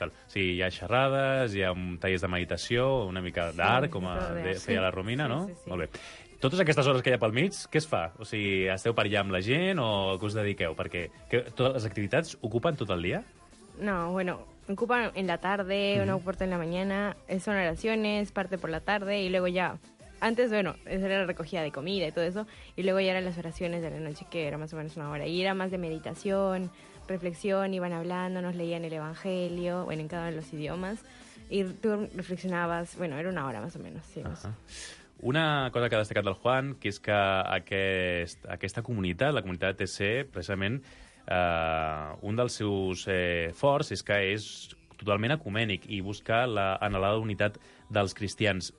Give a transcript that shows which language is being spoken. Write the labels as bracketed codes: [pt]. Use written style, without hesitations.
[ca] Sí, hi ha xerrades, hi ha tallers de meditació, una mica d'art, com feia la Romina, sí, no? Sí, sí. Molt bé. Totes aquestes hores que hi ha pel mig, què es fa? O sigui, esteu per allà amb la gent o què us dediqueu? Perquè totes les activitats ocupen tot el dia? [es] No, bueno, ocupen en la tarde, una parte en la mañana, son oraciones, parte por la tarde, y luego ya antes, bueno, era la recogida de comida y todo eso, y luego ya eran las oraciones de la noche, que era más o menos una hora, y era más de meditación, reflexión, iban hablando, nos leían el evangelio, bueno, en cada uno de los idiomas, y tú reflexionabas, bueno, era una hora más o menos, sí. [ca] Una cosa que ha destacat el Juan, que és que aquesta comunitat, la comunitat TC, precisament, un dels seus forts és que és totalment ecumènic i busca l'anhelada unitat dels cristians.